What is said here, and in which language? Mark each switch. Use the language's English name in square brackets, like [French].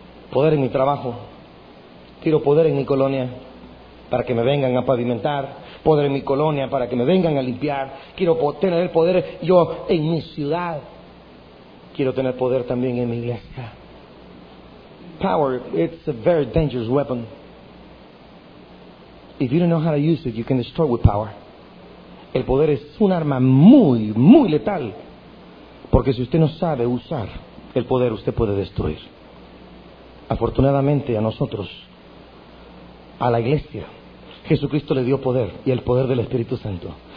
[Spanish] Poder en mi trabajo. Quiero poder en mi colonia. para que me vengan a pavimentar, poder en mi colonia para que me vengan a limpiar. Quiero tener el poder yo en mi ciudad. Quiero tener poder también en mi iglesia. [English] Power, it's a very dangerous weapon. If you don't know how to use it, you can destroy with power. [Spanish] El poder es un arma muy, muy letal. Porque si usted no sabe usar el poder, usted puede destruir. Afortunadamente a nosotros, a la iglesia, Jesucristo le dio poder y el poder del Espíritu Santo.